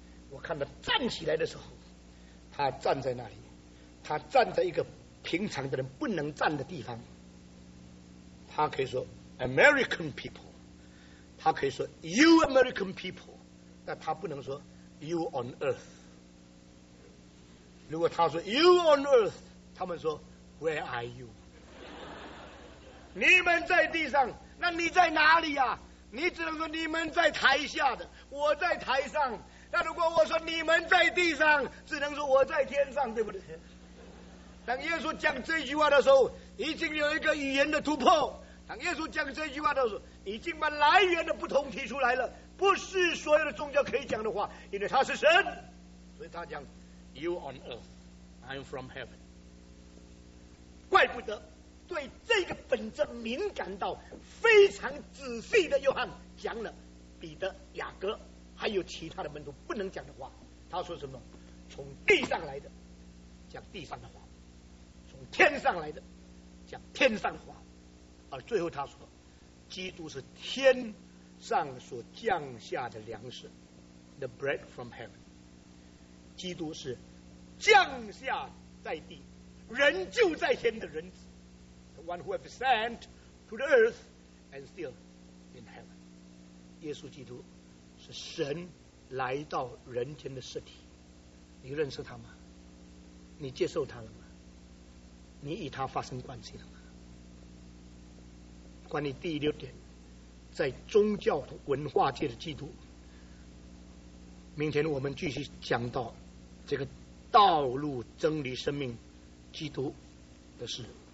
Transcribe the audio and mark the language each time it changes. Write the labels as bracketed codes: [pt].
[zh] 我看他站起来的时候，他站在那里，他站在一个平常的人不能站的地方，他可以说 American people， 他可以说 [en] You American people， [zh] 但他不能说 [en] You on earth。 [zh] 如果他说 [en] You on earth， [zh] 他们说 [en] Where are you？ [zh] 你们在地上，那你在哪里呀？你只能说你们在台下的，我在台上。那如果我说你们在地上，只能说我在天上，对不对？当耶稣讲这句话的时候，已经有一个语言的突破。当耶稣讲这句话的时候，已经把来源的不同提出来了，不是所有的宗教可以讲的话，因为他是神，所以他讲 [en] You on earth, I am from heaven。 [zh] 怪不得对这个本质敏感到非常仔细的约翰讲了彼得、雅各还有其他的门徒不能讲的话。他说什么？从地上来的讲地上的话，从天上来的讲天上话，而最后他说基督是天上所降下的粮食， [en] The bread from heaven。 [zh] 基督是降下在地，人就在天的人子， [en] The one who has sent to the earth and still in heaven。 [zh] 耶稣基督是神来到人间的实体，你认识他吗？你接受他了吗？你与他发生关系了吗？关于第六点，在宗教文化界的基督，明天我们继续讲到这个道路真理生命基督的事。